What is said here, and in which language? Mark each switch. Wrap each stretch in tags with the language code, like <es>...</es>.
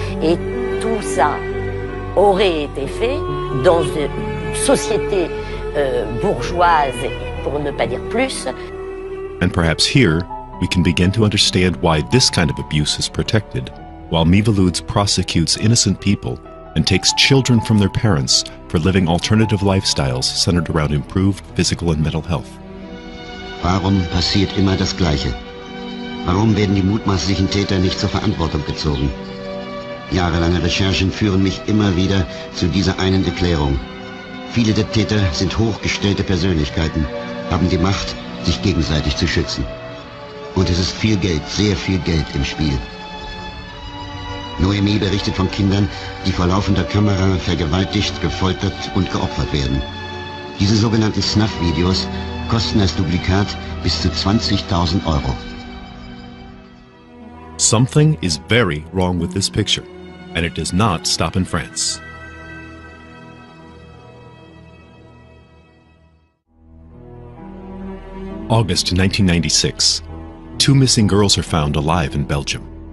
<fr>Et tout ça aurait été fait dans une société bourgeoise, pour ne pas dire plus.</fr> <en>And perhaps here, we can begin to understand why this kind of abuse is protected, while Miviludes prosecutes innocent people and takes children from their parents for living alternative lifestyles centered around improved physical and mental health.</en> <de>Warum passiert immer das Gleiche? Warum werden die mutmaßlichen Täter nicht zur Verantwortung gezogen? Jahrelange Recherchen führen mich immer wieder zu dieser einen Erklärung. Viele der Täter sind hochgestellte Persönlichkeiten, haben die Macht, sich gegenseitig zu schützen. Und es ist viel Geld, sehr viel Geld im Spiel. Noemi berichtet von Kindern, die vor laufender Kamera vergewaltigt, gefoltert und geopfert werden. Diese sogenannten Snuff-Videos kosten als Duplikat bis zu 20.000 Euro.</de> <en>Something is very wrong with this picture, and it does not stop in France. August 1996. Two missing girls are found alive in Belgium.</en>